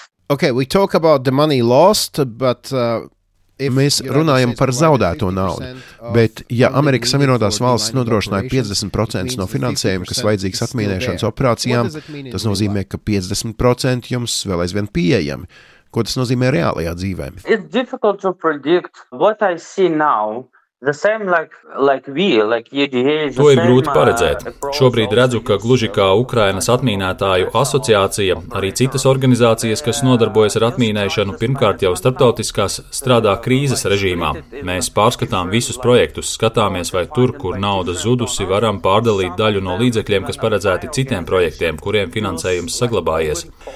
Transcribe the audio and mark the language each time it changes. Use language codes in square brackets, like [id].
[en] Okay, we talk about the money lost, but [lv] Mēs runājam par zaudēto naudu, bet ja Amerikas Savienotās valsts nodrošināja 50% no finansējuma, kas vajadzīgs atmīnēšanas operācijām, tas nozīmē, ka 50% jums vēl aizvien pieejami. Ko tas nozīmē reālajā dzīvē? [en] It's difficult to predict what I see now. To [lv] ir grūti paredzēt. Šobrīd redzu, ka gluži kā Ukrainas atmīnētāju asociācija, arī citas organizācijas, kas nodarbojas ar atmīnēšanu, pirmkārt jau starptautiskās, strādā krīzes režīmā. Mēs pārskatām visus projektus, skatāmies, vai tur, kur nauda zudusi, varam pārdalīt daļu no līdzekļiem, kas paredzēti citiem projektiem, kuriem finansējums saglabājies.